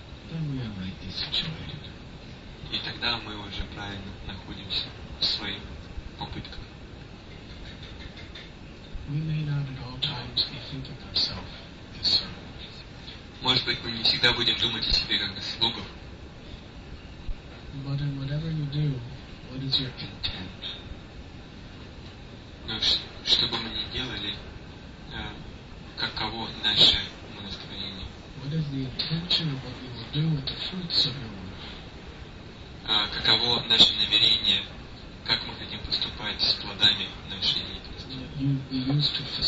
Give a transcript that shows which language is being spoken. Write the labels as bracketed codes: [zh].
[en] Then we are rightly situated. [ru] И тогда мы уже правильно находимся в своих попытках. [en] We may not at all times be thinking of self as servant. [ru] Может быть, мы не всегда будем думать о себе как о слугах. [en] But in whatever you do, what is your intent? [ru] Но что бы мы ни делали, каково наше настроение? [en] What is the intention of what you will do with the fruits of your work? [ru] Каково наше намерение, как мы хотим поступать с плодами нашей деятельности.